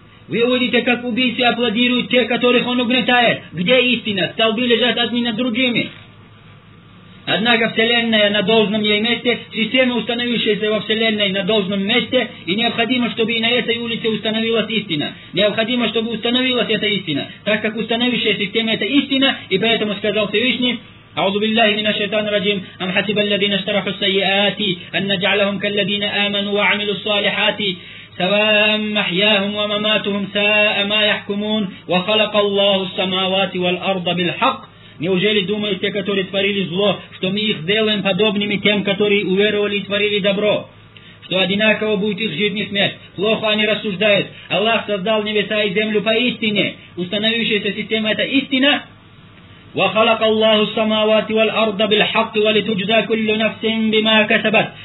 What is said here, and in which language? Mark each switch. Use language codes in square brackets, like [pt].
[ru] Вы увидите, как убийцы аплодируют те, которых он угнетает. Где истина? Столбы лежат одни над другими. Однако Вселенная на должном ей месте, система, установившаяся во Вселенной на должном месте, и необходимо, чтобы и на этой улице установилась истина. Необходимо, чтобы установилась эта истина, так как установившая система – это истина, и поэтому сказал Всевышний, [ar] أعوذ بالله من الشيطان الرجيم أم حسب الذين اشترحوا السيئات أن نجعلهم كالذين آمنوا وعملوا الصالحات سواء محياهم ومماتهم ساء ما يحكمون وخلق الله السماوات والأرض بالحق. [ru] Неужели думают те, которые творили зло, что мы их делаем подобными тем, которые уверовали и творили добро, что одинаково будет их жизнь и смерть? Плохо они рассуждают. Аллах создал небеса и землю поистине. Установившаяся система – это истина. [ar] وَخَلَقَ اللَّهُ السَّمَاوَاتِ وَالْأَرْضَ بِالْحَقِّ وَلِتُجْزَى كُلُّ نَفْسٍ بِمَا كَسَبَتْ.